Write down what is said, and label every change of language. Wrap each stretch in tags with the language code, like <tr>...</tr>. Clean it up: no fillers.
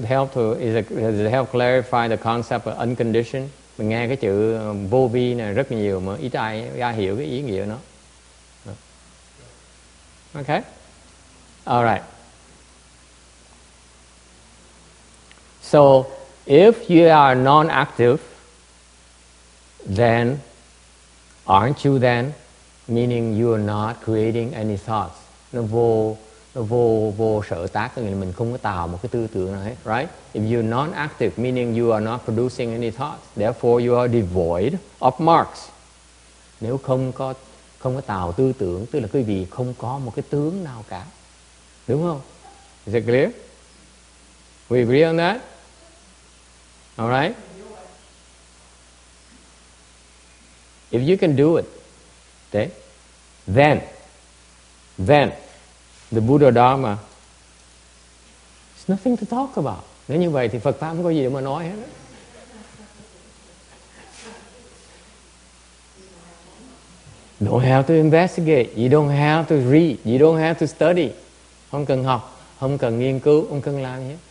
<en>Does it help clarify the concept of unconditioned?</en> <vi>Mình nghe cái chữ vô vi này rất nhiều mà ít ai hiểu cái ý nghĩa của nó.</vi> <en>Okay, all right. So if you are non-active, then aren't you then? Meaning you are not creating any thoughts.</en> <vi>Nó vô sở tác, nghĩa là mình không có tạo một cái tư tưởng nào hết, right?</vi> <en>If you're non-active, meaning you are not producing any thoughts. Therefore, you are devoid of marks.</en> <vi>Nếu không có tạo tư tưởng, tức là quý vị không có một cái tướng nào cả. Đúng không?</vi> <en>Is it clear? We agree on that? All right? If you can do it, okay, then the Buddha Dharma, it's nothing to talk about.</en> <vi>Nếu như vậy thì Phật Pháp không có gì để mà nói hết.</vi> <en>Don't have to investigate. You don't have to read. You don't have to study.</en> <vi>Không cần học, không cần nghiên cứu, không cần làm gì.</vi>